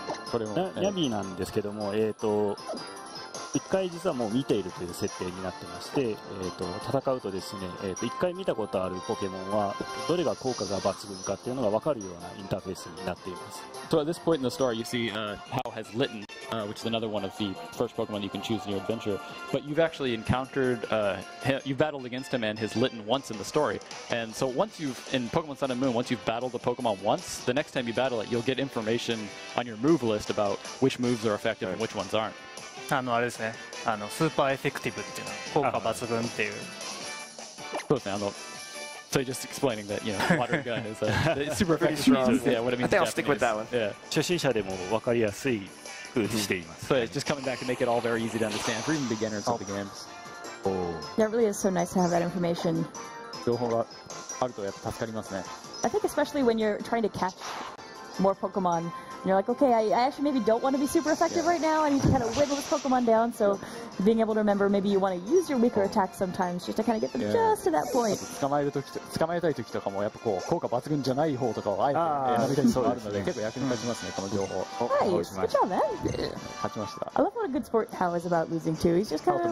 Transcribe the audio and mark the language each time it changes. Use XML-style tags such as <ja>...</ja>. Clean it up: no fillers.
<ja>これもニャビーなんですけども、一回実はもう見ているという設定になってまして、戦うとですね、一回見たことあるポケモンはどれが効果が抜群かっていうのが分かるようなインターフェースになっています。</ja> <en>So at this point in the story, you see Hao has Litten, which is another one of the first Pokemon you can choose in your adventure. But you've actually encountered, you've battled against him and his Litten once in the story. And so once you've, in Pokemon Sun and Moon, once you've battled the Pokemon once, the next time you battle it, you'll get information on your move list about which moves are effective right. and which ones aren't.</en> <ja>あのあれですね、あのスーパーエフェクティブっていうの、効果抜群っていう。そうですね、あの、</ja> <en>So just explaining that, you know, water gun is a super effective means. Yeah, what it means. I think I'll stick with that one. Yeah.</en> <ja>初心者でも分かりやすい風しています。</ja> <en>So just coming back and make it all very easy to understand for even beginners of the game. Yeah, it really is so nice to have that information.</en> <ja>情報があるとやっぱ助かりますね。</ja> <en>I think especially when you're trying to catch more Pokemon. And you're like, okay, I actually maybe don't want to be super effective right now. I need to kind of wiggle this Pokemon down. So being able to remember maybe you want to use your weaker attack sometimes just to kind of get them just to that point.</en> <ja>捕まえたい時とかもやっぱこう効果抜群じゃない方とかをあえて選びたいとかあるので結構役に立ちますね、この情報。はい、</ja> <en>good job, man.</en> <ja>勝ちました。</ja> <en>I love what a good sport Hao is about losing too. He's just kind of</en>